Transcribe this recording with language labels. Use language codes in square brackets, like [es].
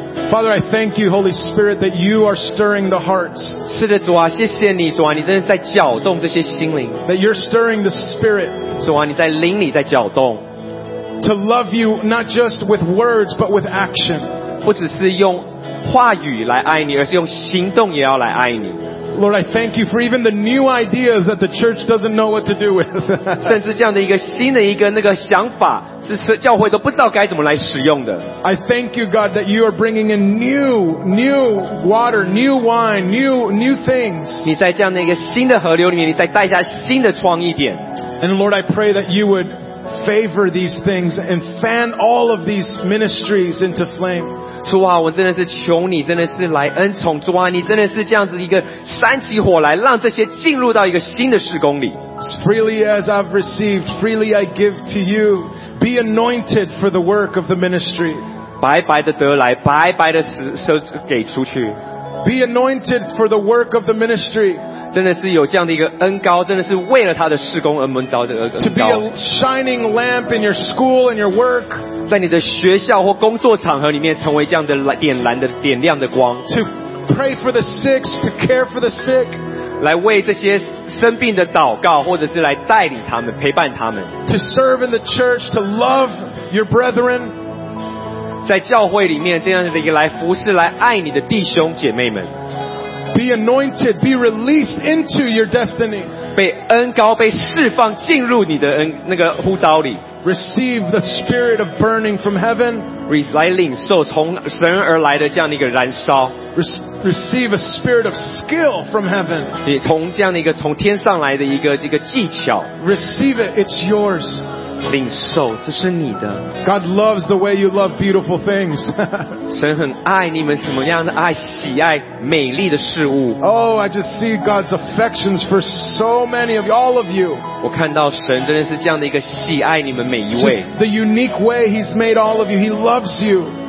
[en] Father, I thank you, Holy Spirit, that you are stirring the hearts. [zh] 是的，主啊，谢谢你，主啊，你真的在搅动这些心灵。 [en] That you're stirring the spirit. [zh] 主啊，你在灵里在搅动。 [en] To love you not just with words but with action. [zh] 不只是用话语来爱你，而是用行动也要来爱你。 [en] Lord, I thank you for even the new ideas that the church doesn't know what to do with. [zh] 甚至这样的一个新的一个那个想法，是教会都不知道该怎么来使用的。 [en] I thank you, God, that you are bringing in new water, new wine, new things. [zh] 你在这样的一个新的河流里面，你再带下新的创意点。 [en] And Lord, I pray that you would favor these things and fan all of these ministries into flame. [zh] 主啊，我真的是求你，真的是来恩宠。主啊，你真的是这样子一个煽起火来，让这些进入到一个新的事工里。 [en] Freely as I've received, freely I give to you. Be anointed for the work of the ministry. [zh] 白白的得来，白白的舍给出去。 [en] Be anointed for the work of the ministry. [zh] 真的是有这样的一个恩膏真的是为了他的事工而蒙召的恩膏 [en] To be a shining lamp in your school and your work [zh] 在你的学校或工作场合里面成为这样的点燃的点亮的光 [en] To pray for the sick, to care for the sick [zh] 来为这些生病的祷告或者是来带领他们陪伴他们 [en] To serve in the church, to love your brethren [zh] 在教会里面这样的一个来服侍来爱你的弟兄姐妹们 [en] be anointed, be released into your destiny. [zh] 被恩膏被释放进入你的恩那个呼召里。 [en] Receive the spirit of burning from heaven. [zh] 来领受从神而来的这样的一个燃烧。 [en] Receive a spirit of skill from heaven. [zh] 你从这样的一个从天上来的一个这个技巧。 [en] Receive it, it's yours. [zh] 领受，这是你的。 [en] God loves the way you love beautiful things. [zh] 神很爱你们什么样的爱，喜爱美丽的事物。 [en] Oh, I just see God's affections for so many of all of you. [zh] 我看到神真的是这样的一个喜爱你们每一位。 [en] The unique way He's made all of you, He loves you.